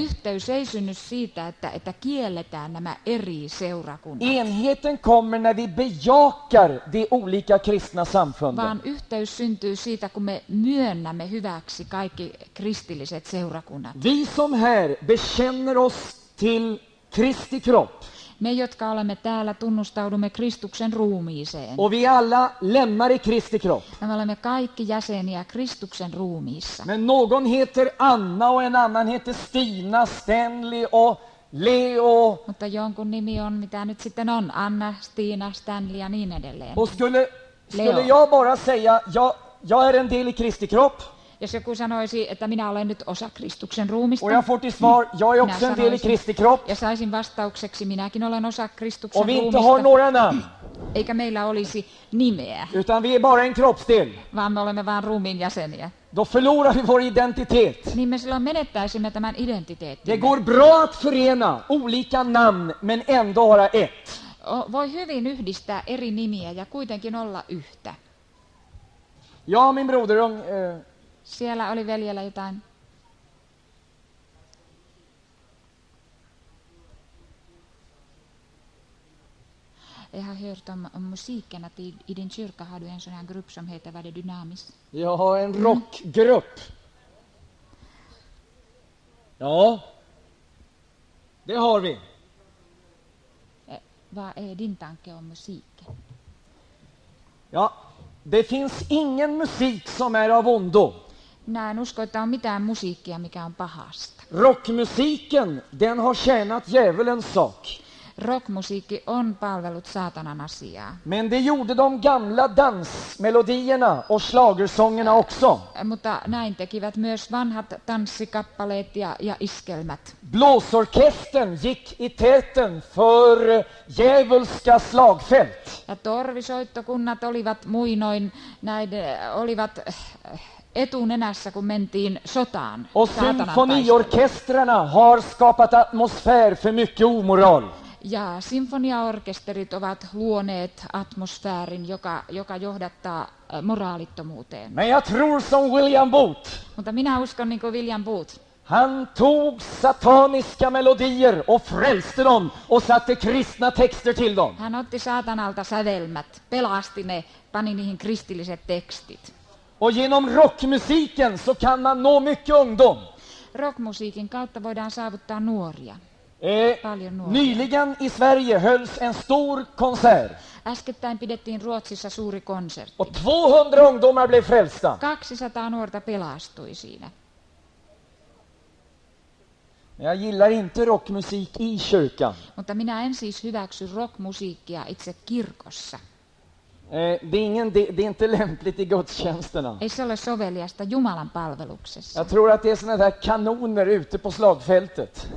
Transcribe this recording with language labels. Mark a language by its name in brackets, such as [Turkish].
[Finnish] Yhteys ei synny siitä, että kielletään nämä eri seurakunnat. [Swedish] Enheten kommer när vi bejakar de olika kristna samfunden. [Finnish] Vaan yhteys syntyy siitä, kun me myönnämme hyväksi kaikki kristilliset seurakunnat. [Swedish] Vi som här bekänner oss till Kristi kropp. [Finnish] Me, jotka olemme täällä, tunnustaudumme Kristuksen ruumiiseen. [Swedish] Och vi alla lemmar i Kristi kropp. [Finnish] Me olemme kaikki jäseniä Kristuksen ruumiissa. [Swedish] Men någon heter Anna och en annan heter Stina, Stanley och Leo. [Finnish] Mutta jonkun nimi on, mitä nyt sitten on. Anna, Stina, Stanley ja niin edelleen. [Swedish] Och skulle jag bara säga, jag är en del i Kristi kropp. [Finnish] Jos joku sanoisi, että minä olen nyt osa Kristuksen ruumista. [Swedish] Och jag får till svar, jag är också en del i Kristi kropp. [Finnish] Ja saisin vastaukseksi, minäkin olen osa Kristuksen [Swedish] och [Finnish] ruumista. [Swedish] Och vi inte har några namn. [Finnish] Eikä meillä olisi nimeä. [Swedish] Utan vi är bara en kroppsdel. [Finnish] Vaan me olemme vain ruumiin jäseniä. [Swedish] Då förlorar vi vår identitet. [Finnish] Niin me silloin menettäisimme tämän identiteetin. [Swedish] Det går bra att förena olika namn, men ändå vara ett. [Finnish] Voi hyvin yhdistää eri nimiä ja kuitenkin olla yhtä. [Swedish] Ja, min broder, [Finnish] siellä oli veljellä jotain. [Swedish] Jag har hört om musiken att i din kyrka har du en sån här grupp som heter Vade Dynamis. Jag har en rockgrupp. Ja. Det har vi. Vad är din tanke om musik? Ja, det finns ingen musik som är av ondo. Nej, nu ska inte ha [Finnish] mitään musiikkia mikä on pahasta. [Swedish] Rockmusiken, den har tjänat djävulens sak. [Finnish] Rockmusiikki on palvellut saatanan asiaa. [Swedish] Men det gjorde de gamla dansmelodierna och slagersångerna också. [Finnish] Mutta näin tekivät myös vanhat tanssikappaleet ja iskelmät. [Swedish] Blåsorkestern gick i täten för djävulska slagfält. [Finnish] Ja torvisoittokunnat olivat muinoin näiden olivat etunenässä kun mentiin sotaan. [Swedish] Och symfoniorkestrarna har skapat atmosfär för mycket omoral. [Finnish] Ja symfoniaorkesterit ovat luoneet atmosfäärin, joka johdattaa moraalittomuuteen. [Swedish] Men jag tror som William Booth. [Finnish] Mutta minä uskon niin kuin William Booth. [Swedish] Han tog sataniska melodier och frälste dem och satte kristna texter till dem. [Finnish] Hän otti saatanalta sävelmät, pelasti ne, pani niihin kristilliset tekstit. [Swedish] Och genom rockmusiken så kan man nå mycket ungdom. [Finnish] Rockmusiikin kautta voidaan saavuttaa nuoria. [Swedish] Nyligen i Sverige hölls en stor konsert. [Finnish] Äskettäin pidettiin Ruotsissa suuri konsertti. [Swedish] Och 200 ungdomar blev frälsta. [Finnish] 200 nuorta pelastui siinä. [Swedish] Jag gillar inte rockmusik i kyrkan. [Finnish] Mutta minä en siis hyväksy rockmusiikkia itse kirkossa. [Swedish] Det är inte lämpligt i gudstjänsterna. [Finnish] Ei se ole soveliasta Jumalan palveluksessa. [Swedish] Jag tror att det är såna där kanoner ute på slagfältet.